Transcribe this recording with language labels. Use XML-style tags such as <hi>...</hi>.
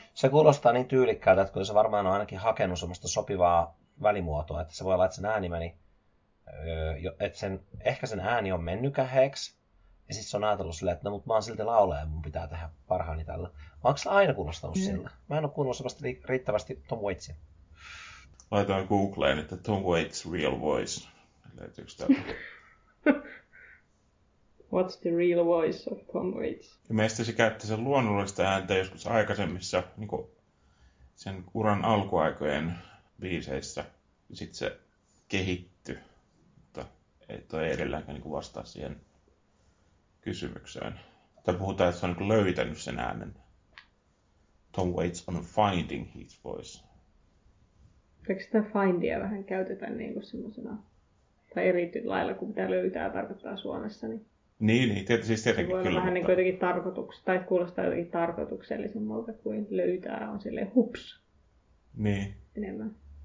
<fi>Se kuulostaa niin tyylikkäältä, että kyllä se varmaan on ainakin hakenut semmoista sopivaa välimuotoa, että se voi olla, että sen ääni meni, että sen, ehkä sen ääni on mennyt käheeksi. Ja sitten se on ajatellut silleen, että no, mutta mä oon silti laulaja ja mun pitää tehdä parhaani tällä. Onko se aina kuulostanut sillä? Mä en ole kuunnellut semmoista riittävästi Tom Waitsia. Laitoin Googleen, että</fi> <en>Tom Waits real voice.</en> <fi>Löytyykö täältä?</fi> <en>What's the real voice of Tom Waits?</en> <fi>Ja meistä se käytti sen luonnollista ääntä joskus aikaisemmissa niin kuin sen uran alkuaikojen biiseissä. Ja sitten se kehittyi. Mutta ei toi edelläänkään niin kuin vastaa siihen kysymykseen. Tai puhutaan, että se on niin kuin löytänyt sen äänen.</fi> <en>Tom Waits on finding his voice.</en> <fi>Eikö sitä findia vähän käytetään niin kuin semmoisena, tai erityisellä lailla, kun mitä löytää tarkoittaa Suomessa? Niin, siis tietenkin kyllä. Se voi kyllä, vähän mutta... niin kuin jotenkin tarkoituksella, tai kuulostaa jotenkin tarkoituksellisemmalta kuin löytää, on silleen hups. Niin. Enemmän.</fi>